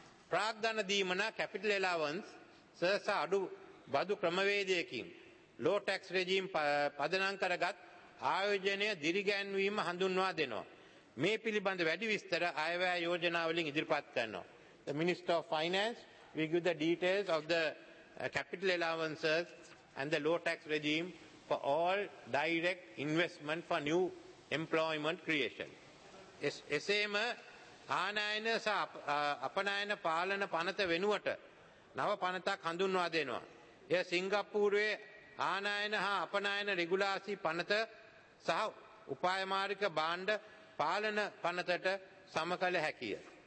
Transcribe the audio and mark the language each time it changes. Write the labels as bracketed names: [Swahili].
[Sinhala] ප්‍රාග්ධන දීමනා capital එලාවන්ස් සර්සා අඩු බදු ක්‍රමවේදයකින් ලෝ tax රෙජීම් පදනම් කරගත් ආයෝජනය දිරිගැන්වීම හඳුන්වා දෙනවා. මේ පිළිබඳ වැඩි විස්තර අයවැය යෝජනාවලින් ඉදිරිපත් කරනවා. [English] The Minister of Finance will give the details of the capital allowances and the low tax regime for all direct investment for new employment creation. [Sinhala] එසේම ආනයන සහ අපනයන පාලන පනත වෙනුවට නව පනතක් හඳුන්වා දෙනවා. එය සිංගප්පූරුවේ ආනයන හා අපනයන රෙගුලාසි පනත සහ උපායමාරික භාණ්ඩ පාලන පනතට සමකල හැකිය.